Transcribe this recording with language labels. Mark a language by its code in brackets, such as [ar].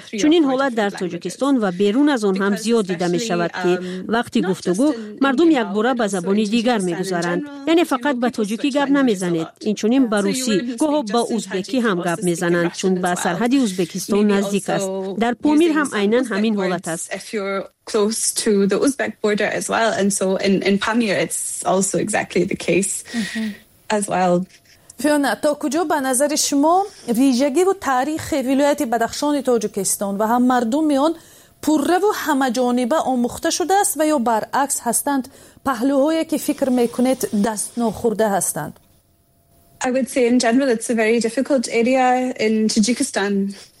[fa] چون این حالت در تاجیکستان و بیرون از آن هم زیاد دیده میشود که وقتی گفتگو مردم یک باره به زبانی دیگر میگذارند. یعنی فقط به تاجیکی گپ نمیزنند، این چنین به روسی، گاه ها به ازبکی هم گپ میزنند چون به سرحد ازبکستان نزدیک است. در پامیر هم اینن همین حالت است. [en] If you're close to the Uzbek border as well, and so in Pamir it's also exactly the case as well. [fa] فیونا، تا کجا به نظر شما ویژگی و تاریخ ولایت بدخشان تاجیکستان و هم مردم آن پوره و همه جانبه آموخته شده است و یا برعکس هستند پهلوهایی که فکر میکنید دست نخورده هستند؟ [en] I would say in general it's a very difficult area in Tajikistan.